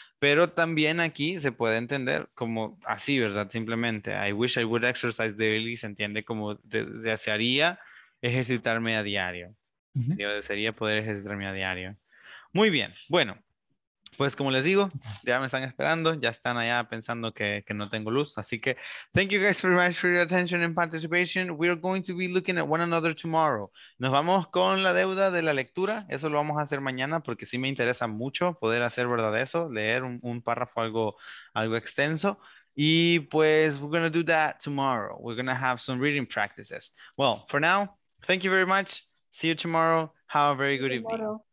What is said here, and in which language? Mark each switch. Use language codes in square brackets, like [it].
[es] Pero también aquí se puede entender como así, ¿verdad? Simplemente, [en] I wish I would exercise daily, [es] se entiende como desearía ejercitarme a diario. Uh-huh. Yo desearía poder ejercitarme a diario. Muy bien, bueno. Pues como les digo, ya me están esperando, ya están allá pensando que no tengo luz. Así que, [en] thank you guys very much for your attention and participation. We are going to be looking at one another tomorrow. [es] Nos vamos con la deuda de la lectura. Eso lo vamos a hacer mañana porque sí me interesa mucho poder hacer verdad eso, leer un párrafo algo extenso. Y pues, [en] we're going to do that tomorrow. We're going to have some reading practices. Well, for now, thank you very much. See you tomorrow. Have a very good evening.